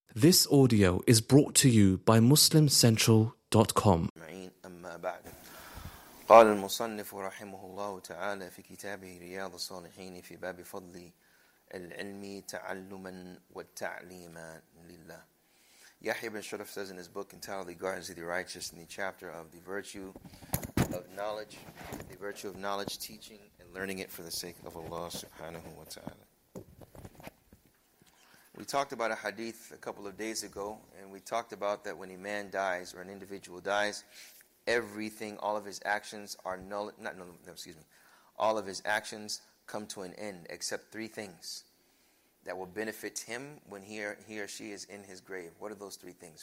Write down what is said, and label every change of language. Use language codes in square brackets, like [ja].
[en] This audio is brought to you by MuslimCentral.com. [ar] أما بعد قال المصنف رحمه الله تعالى في كتابه رياض الصالحين في باب فضل العلم تعلما والتعليما لله. [en] يحيى بن شرف says in his book entitled The Gardens of the Righteous in the chapter of the virtue of knowledge, the virtue of knowledge, teaching and learning it for the sake of Allah subhanahu wa ta'ala. We talked about a hadith a couple of days ago, and we talked about that when a man dies, or an individual dies, everything, all of his actions are null, all of his actions come to an end, except three things that will benefit him when he or she is in his grave. What are those three things?